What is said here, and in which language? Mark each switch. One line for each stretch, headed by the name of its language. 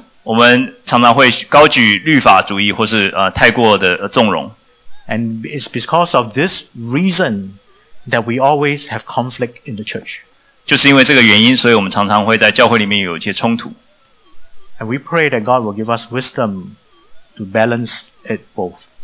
Chinese: 我们常常会高举律法主义或是太过的纵容。
English: And it's because of this reason that we always have conflict in the church.
Chinese: 就是因为这个原因所以我们常常会在教会里面有一些冲突。
English: And we pray that God will give us wisdom to balance it both.